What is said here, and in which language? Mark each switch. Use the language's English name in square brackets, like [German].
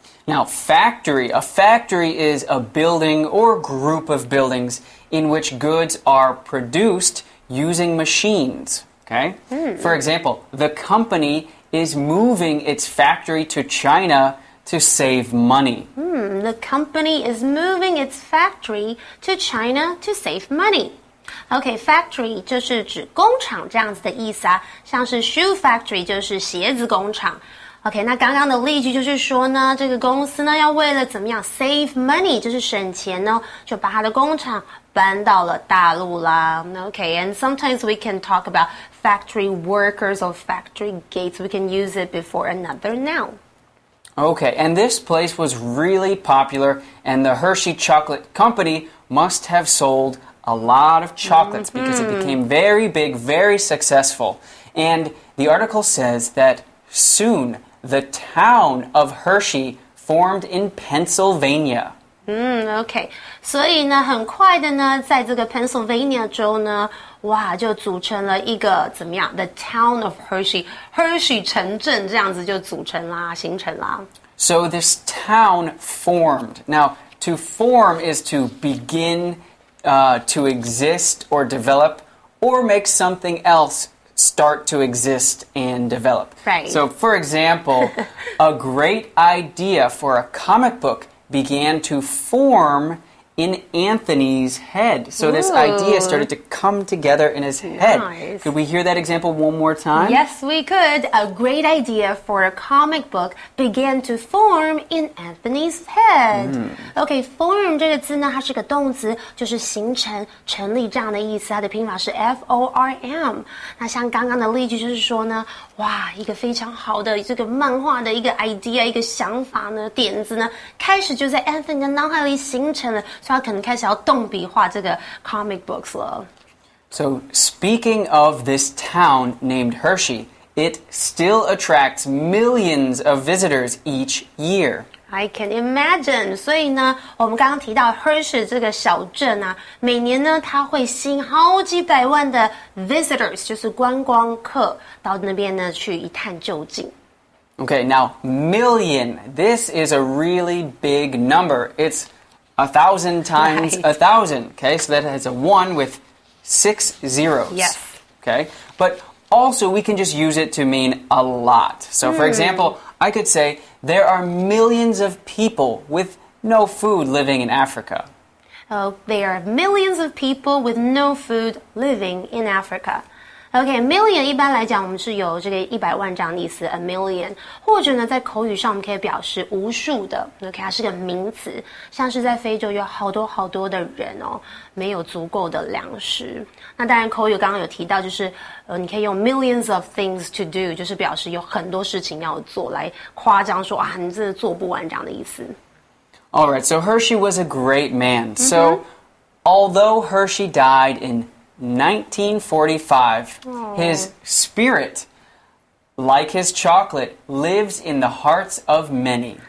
[English] Now, factory. A factory is a building or group of buildings in which goods are produced using machines. Okay? For example, the company is moving its factory to China to save money. The company is moving its factory to China to save money. [Chinese] Okay, factory 就是指工厂这样子的意思啊，像是 shoe factory 就是鞋子工厂。 OK, 那刚刚的例句就是说呢，这个公司呢要为了怎么样 save money, 就是省钱呢，就把它的工厂搬到了大陆啦。 [English] OK, and sometimes we can talk about factory workers or factory gates. We can use it before another noun. Okay, and this place was really popular, and the Hershey Chocolate Company must have sold a lot of chocolates because it became very big, very successful. And the article says that soon... The town of Hershey formed in Pennsylvania. Okay. [Chinese] 所以呢，很快的呢，在这个 Pennsylvania 州呢，哇，就组成了一个怎么样 ？ [English] The town of Hershey, [Chinese] Hershey 城镇这样子就组成啦，形成啦。 [English] So this town formed. Now, to form is to begin, to exist or develop, or make something else. Start to exist and develop. Right. So, for example, a great idea for a comic book began to form in Anthony's head. So, this idea started to come together in his head. Nice. Could we hear that example one more time? Yes, we could. A great idea for a comic book began to form in Anthony's head. [Chinese] Okay, form 这个字呢，它是个动词，就是形成、成立这样的意思。它的拼法是 form. 那像刚刚的例句就是说呢，哇，一个非常好的这个漫画的一个 idea， 一个想法呢，点子呢，开始就在 Anthony 的脑海里形成了。所以他可能开始要动笔画这个 comic books 了。 [English] So, speaking of this town named Hershey, it still attracts millions of visitors each year. I can imagine. [Chinese] 所以呢，我们刚刚提到 Hershey 这个小镇啊，每年呢，它会吸引好几百万的 visitors, 就是观光客到那边呢去一探究竟。 [English] Okay, now, million. This is a really big number. It's... A thousand times a thousand, okay? So that has a one with six zeros. Yes. Okay? But also, we can just use it to mean a lot. So, for example, I could say, there are millions of people with no food living in Africa. Oh, there are millions of people with no food living in Africa. [Chinese] Okay, million 一般来讲我们是有这个一百万这样的意思 ,a million, 或者呢在口语上我们可以表示无数的 ,okay, 它是个名词像是在非洲有好多好多的人哦没有足够的粮食。那当然口语刚刚有提到就是你可以用 [English] millions of things to do, [Chinese] 就是表示有很多事情要做来夸张说啊你真的做不完这样的意思。 [English] Alright, so Hershey was a great man. So, although Hershey died in 1945, his spirit, like his chocolate, lives in the hearts of many.